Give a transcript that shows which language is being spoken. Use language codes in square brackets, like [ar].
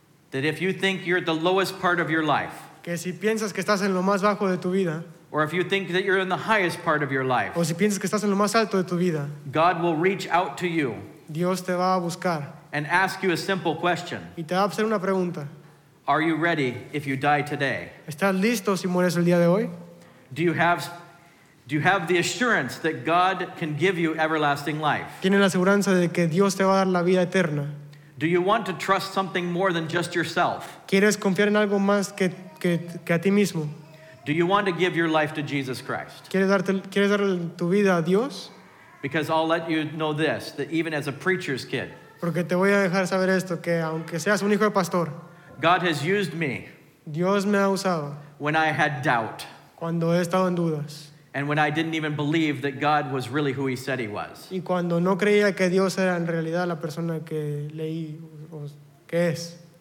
[en] That if you think you're at the lowest part of your life, [es] que si piensas que estás en lo más bajo de tu vida, [en] or if you think that you're in the highest part of your life, [es] o si piensas que estás en lo más alto de tu vida, [en] God will reach out to you, [es] Dios te va a buscar, [en] and ask you a simple question. [es] Y te va a hacer una pregunta. [en] Are you ready if you die today? [es] ¿Estás listo si mueres el día de hoy? [en] Do you have the assurance that God can give you everlasting life? [es] ¿Tienes la seguridad de que Dios te va a dar la vida eterna? [en] Do you want to trust something more than just yourself? [es] ¿Quieres confiar en algo más que a ti mismo? [en] Do you want to give your life to Jesus Christ? [es] ¿Quieres dar tu vida a Dios? [en] Because I'll let you know this, that even as a preacher's kid, [es] porque te voy a dejar saber esto, que aunque seas un hijo de pastor, [en] God has used me, [es] Dios me ha usado, [en] when I had doubt, [es] cuando he estado en dudas, [en] and when I didn't even believe that God was really who he said he was. [es] Y cuando no creía que Dios era en realidad la persona que leí o que es.